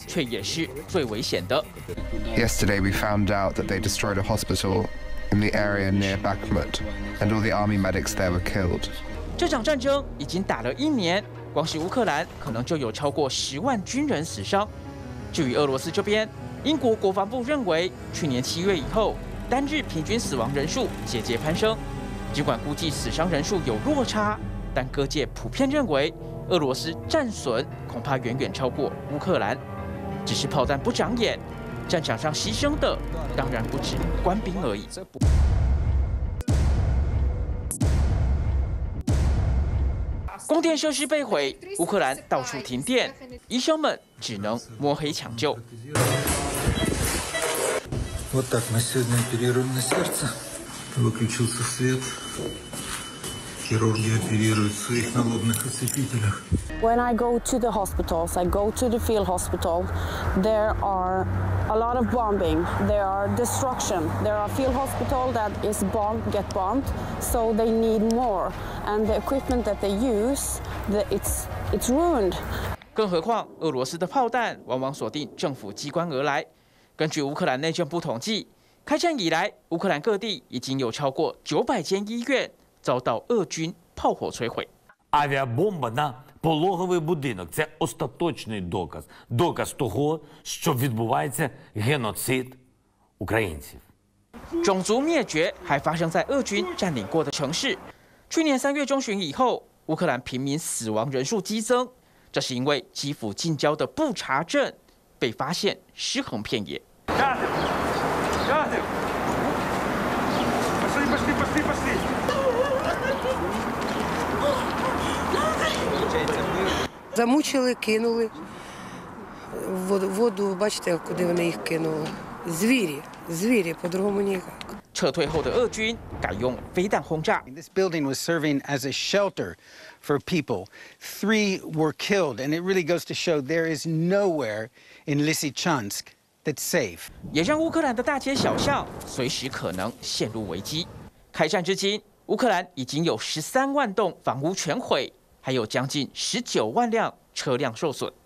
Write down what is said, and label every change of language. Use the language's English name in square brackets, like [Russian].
[English] Yesterday, we found out that they destroyed a hospital in the area near Bakhmut, and all the army medics there were killed. This war has been going on for 1 year. Just Ukraine, there are more than 100,000 soldiers killed. [Chinese] 英国国防部认为，去年7月以后，单日平均死亡人数节节攀升。尽管估计死伤人数有落差，但各界普遍认为，俄罗斯战损恐怕远远超过乌克兰。只是炮弹不长眼，战场上牺牲的当然不止官兵而已。供电设施被毁，乌克兰到处停电，医生们只能摸黑抢救。 [Russian] Вот так мы сегодня оперируем на сердце. Выключился свет. Хирурги оперируют в своих налобных осветителях. [English] When I go to the hospitals, I go to the field hospital. There are a lot of bombing. There are destruction. There are field hospital that is bombed, get bombed. So they need more. And the equipment that they use, it's ruined. [Chinese] 更何况，俄罗斯的炮弹往往锁定政府机关而来。根据乌克兰内政部统计，开战以来，乌克兰各地已经有超过900间医院遭到俄军炮火摧毁。 [Ukrainian] Авіабомба на пологовий будинок – це остаточний доказ, доказ того, що відбувається геноцид українців. [Chinese] 种族灭绝还发生在俄军占领过的城市。去年3月中旬以后，乌克兰平民死亡人数激增，这是因为基辅近郊的布查镇。被发现尸横遍野。 [Ukrainian] Замучили, кинули в воду. Бачите, куди вони їх кинули? Звірі, звірі, по-другому ніяк. [Chinese] 撤退后的俄军改用飞弹轰炸. [English] This building was serving as a shelter for people. Three were killed, and it really goes to show there is nowhere in Lysychansk that's safe. [Chinese] 也让乌克兰的大街小巷随时可能陷入危机。开战至今，乌克兰已经有13万栋房屋全毁，还有将近19万辆车辆受损。